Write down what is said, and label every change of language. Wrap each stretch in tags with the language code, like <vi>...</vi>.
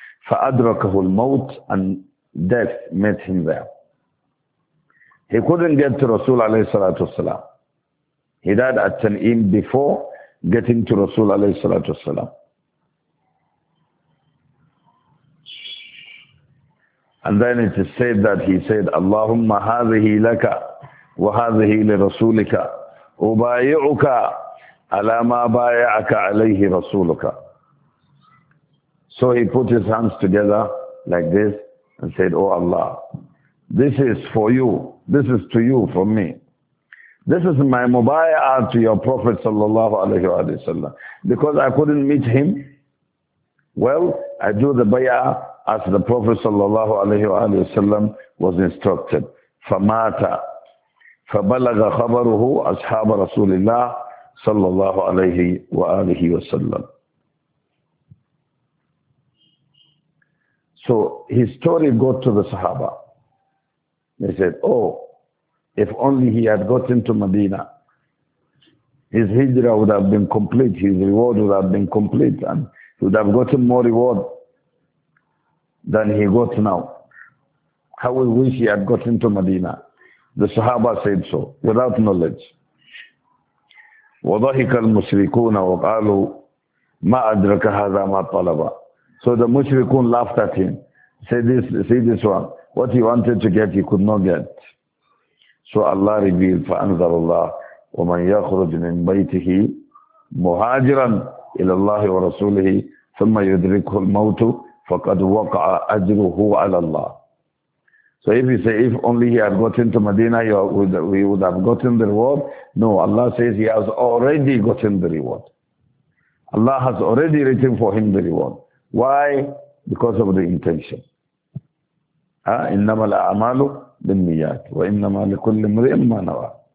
<ar>فَأَدْرَكَهُ الْمَوْتِ,</ar> <en>and death met him there. He couldn't get to Rasul alayhi salatu wasalam. He died at Tan'im before getting to Rasul alayhi salatu wasalam. And then it is said that he said,</en> <ar>اللهم هذه لك وهذه لرسولك أبايعك على ما بايعك عليه رسولك.</ar> <en>So he put his hands together like this and said, oh Allah, this is for you, this is to you from me. This is my mubay'ah to your Prophet sallallahu alayhi wa sallam. Because I couldn't meet him, well, I do the bay'ah as the Prophet sallallahu alayhi wa sallam was instructed.</en> <ar>فَمَاتَ فَبَلَغَ خَبَرُهُ أَصْحَابَ رَسُولِ اللَّهِ sallallahu alayhi wa sallam.</ar> <en>So his story got to the Sahaba. They said, oh, if only he had gotten to Medina, his hijrah would have been complete, his reward would have been complete, and he would have gotten more reward than he got now. How we wish he had gotten to Medina. The Sahaba said so, without knowledge.</en> <ar>وَضَحِكَ الْمُشْرِكُونَ وَقَالُوا مَا أَدْرَكَ هَذَا مَا طَلَبَ.</ar> <en>So the mushrikun laughed at him. Say this one. What he wanted to get, he could not get. So Allah revealed,</en> <ar>فَأَنْذَرُ اللَّهُ وَمَنْ يَخْرُجْ مِنْ بَيْتِهِ مُهَاجِرًا إِلَى اللَّهِ وَرَسُولِهِ ثُمَّ يُدْرِكُهُ الْمَوْتُ فَقَدْ وَقَعَ أَجْرُهُ عَلَى اللَّهِ.</ar> <en>So if you say, if only he had gotten to Medina, he would have gotten the reward. No, Allah says he has already gotten the reward. Allah has already written for him the reward. Why? Because of the intention.</en> <ar>إِنَّمَا الْأَعْمَالُ بِالنِّيَّاتِ وَإِنَّمَا لِكُلِّ امْرِئٍ مَّا نَوَى.</ar>